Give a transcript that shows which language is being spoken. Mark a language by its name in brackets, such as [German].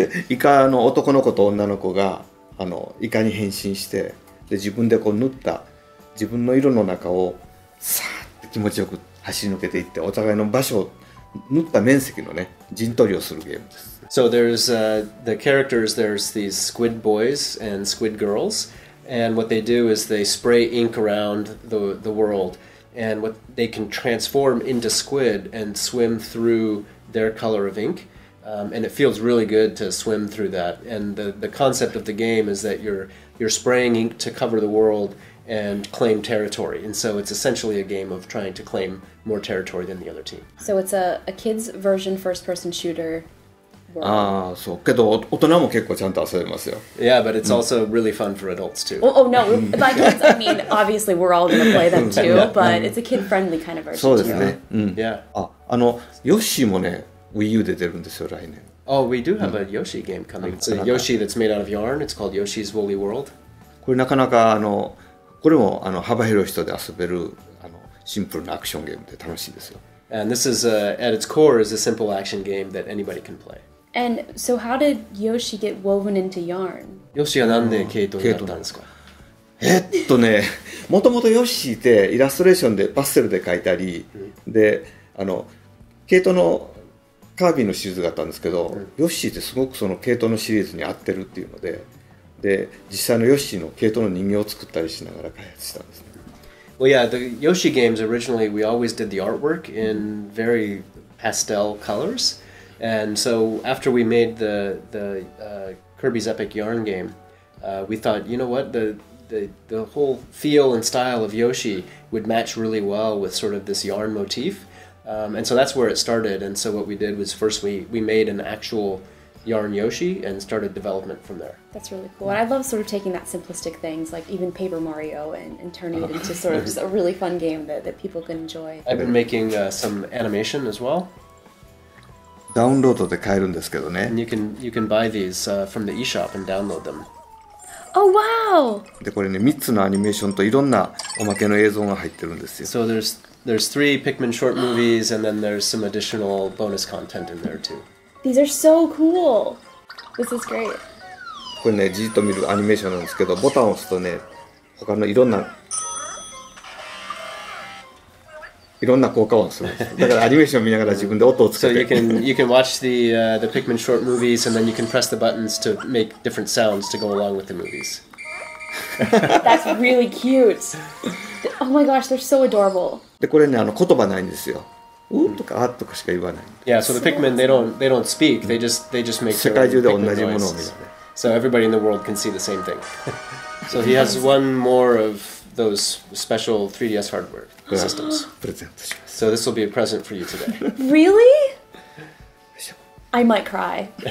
[Japanese] イカの男の子と女の子があのイカに変身してで自分でこう塗った自分の色の中をさーって気持ちよく走り抜けていってお互いの場所を塗った面積のね陣取りをするゲームです。 [English] So there's the characters, there's these squid boys and squid girls, and what they do is they spray ink around the world. And what they can transform into squid and swim through their color of ink. And it feels really good to swim through that. And the concept of the game is that you're spraying ink to cover the world and claim territory. And so it's essentially a game of trying to claim more territory than the other team. So it's a kid's version first-person shooter world. Ah, so. [Japanese] けど大人も結構ちゃんと遊べますよ。 [English] Yeah, but it's also really fun for adults too. Oh no, by kids, I mean, obviously we're all going to play them too, but it's a kid-friendly kind of version too. [Japanese] そうですね。 [English] Yeah. [Japanese] あの、Yoshi もね、Wii U で出るんですよ、来年。 [English] Oh, we do have a Yoshi game coming. It's a Yoshi that's made out of yarn. It's called Yoshi's Woolly World. [Japanese] これなかなか、あの、これもあの幅広い人で遊べるあのシンプルなアクションゲームで楽しいですよ。 [English] And this is, at its core, is a simple action game that anybody can play. And so how did Yoshi get woven into yarn? [Japanese] Yoshi はなんでケイトになったんですか？ね、もともと Yoshi ってイラストレーションでパステルで描いたり、で、あの、ケイトのカービィのシリーズがあったんですけど、Yoshi ってすごくそのケイトのシリーズに合ってるっていうので、で、実際の Yoshi のケイトの人形を作ったりしながら開発したんですね。 [English] Well, yeah, the Yoshi games originally, we always did the artwork in very pastel colors. And so after we made the Kirby's Epic Yarn game, we thought, you know what, the whole feel and style of Yoshi would match really well with sort of this yarn motif. And so that's where it started. And so what we did was first we made an actual yarn Yoshi and started development from there. That's really cool. And I love sort of taking that simplistic things, like even Paper Mario, and turning it into sort of just a really fun game that people can enjoy. I've been making some animation as well. [Japanese] ダウンロードで買えるんですけどね。 [English] You can buy these from the eShop and download them. Oh, wow! [Japanese] で、これね、3つのアニメーションといろんなおまけの映像が入ってるんですよ。 [English] So there's three Pikmin short movies and then there's some additional bonus content in there too. These are so cool! This is great! [Japanese] これね、じっと見るアニメーションなんですけど、ボタンを押すとね、他のいろんな効果音するんです。だからアニメーションを見ながら自分で音をつけて。 [English] So you can watch the Pikmin short movies and then you can press the buttons to make different sounds to go along with the movies. That's really cute. Oh my gosh, they're so adorable. [Japanese] でこれねあの言葉ないんですよ。うーとかあーとかしか言わない。 [English] Yeah, so the Pikmin they don't speak. They just make their own Pikmin noises. [Japanese] 世界中で同じものを見る。 [English] So everybody in the world can see the same thing. So he has one more of. Those special 3DS hardware systems. So this will be a present for you today. Really? I might cry.